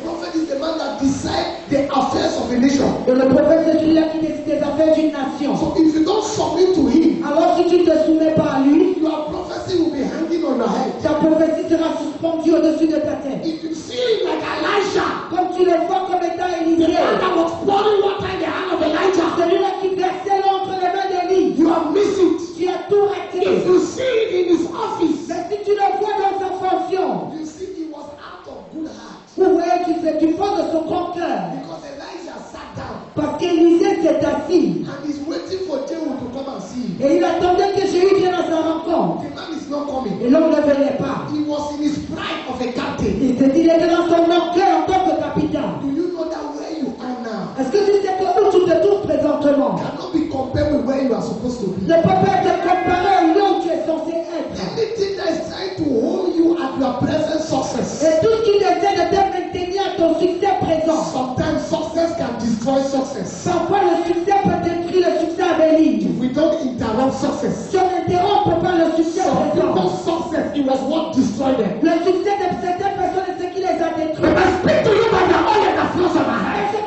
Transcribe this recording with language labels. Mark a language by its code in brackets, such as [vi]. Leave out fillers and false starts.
[en] The prophet is the man that decides the affairs of a nation. [fr] Et le prophète c'est celui-là qui décide des affaires d'une nation. [en] So if you don't submit to him, [fr] alors si tu ne te soumets pas à lui, [en] your prophecy will be hanging on your head. [fr] Ta prophétie sera suspendue au-dessus de ta tête. [en] If you see him like Elijah, [fr] comme tu le vois comme étant Élisée, [en] the man that was pouring water in the hand of Elijah, [fr] celui-là qui versait l'eau entre les mains d'Élie, [en] you have missed it. [fr] Tu as tout raté. [en] If you see him in his office, [fr] mais si tu le vois dans sa fonction, [en] you see he was out of good heart. [fr] Vous voyez qu'il fait du fond de son grand cœur. [en] Because Elijah sat down. [fr] Parce qu'Élisée s'est assis. [en] And he's waiting for Jehu to come and see. [fr] Et il attendait que Jehu vienne à sa rencontre. [en] The man is not coming. [fr] Et l'homme ne venait pas. [en] He was in his pride of a captain. [fr] Il s'est dit, il était dans son grand cœur en tant que capitaine. [en] Do you know that where you are now? [fr] Est-ce que tu sais que où tu te trouves présentement? [en] Cannot be compared with where you are supposed to be. [fr] Ne peux pas être comparé à là où tu es censé être. [en] Anything that is trying to hold you at your present success. [fr] Et tout ce qui essaie de te maintenir à ton succès présent. [en] Sometimes success can destroy success. [fr] Parfois le succès peut détruire le succès à venir. [en] If we don't interrupt success. [fr] Si on n'interrompt pas le succès [en] some [fr] présent. [en] Some people's success, it was what destroyed them. [fr] Le succès de certaines personnes est ce qui les a détruits. [en] But I speak to you by the oil and the flows of my head.